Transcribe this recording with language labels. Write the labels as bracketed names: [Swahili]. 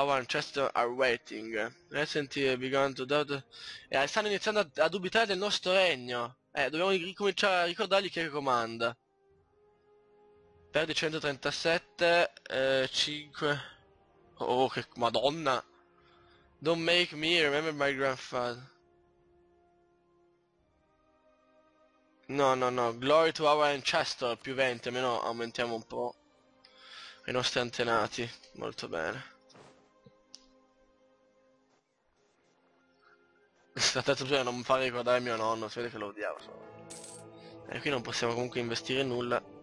[English] Our ancestors are waiting. Recently began to doubt. [Italian] Stanno iniziando a dubitare del nostro regno. Dobbiamo ricominciare a ricordargli chi è che comanda. Perdi 137, 5. Oh, che madonna. [English] Don't make me remember my grandfather. No, no, no, glory to our ancestor, [Italian] più 20, almeno aumentiamo un po' i nostri antenati, molto bene. La terza opzione non mi fa ricordare mio nonno, si vede che lo odiavo. E qui non possiamo comunque investire in nulla.